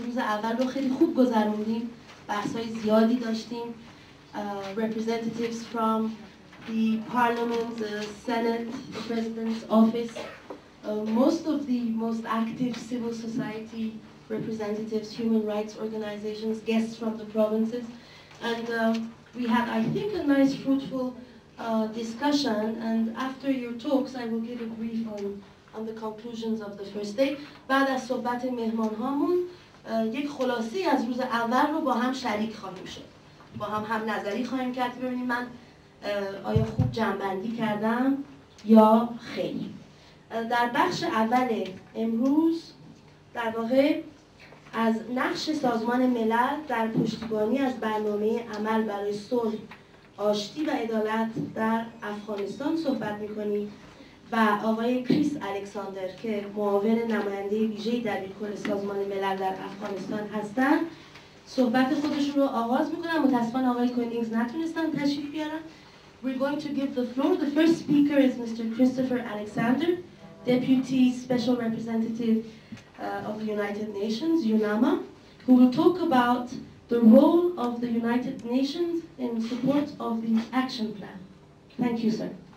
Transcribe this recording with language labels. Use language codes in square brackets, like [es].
[fa] روز اول رو خیلی خوب گذروندیم. بحث‌های زیادی داشتیم. [en] Representatives from the parliament, the senate, the president's office, most of the most active civil society representatives, human rights organizations, guests from the provinces, and we had, I think, a nice, fruitful discussion. And after your talks, I will give a brief on the conclusions of the first day. [fa] بعد از صحبت مهمان‌هامون یک خلاصه‌ای از روز اول رو با هم شریک خواهیم شد. با هم هم نظری خواهیم کرد. ببینیم من آیا خوب جمع‌بندی کردم یا خیلی. در بخش اول امروز در واقع از نقش سازمان ملل در پشتیبانی از برنامه عمل برای صلح، آشتی و عدالت در افغانستان صحبت می‌کنیم و آقای کریس الکساندر که معاون نماینده ویژه دبیرکل سازمان ملل در افغانستان هستند صحبت خودشون رو آغاز می‌کنن. متأسفانه آقای کنینگز نتونستن تشریف بیارن. [en] We're going to give the floor. The first speaker is Mr. Kristoffer Alexander, Deputy Special Representative of the United Nations, Yunama, who will talk about the role of the United Nations in support of the action plan. Thank you, sir.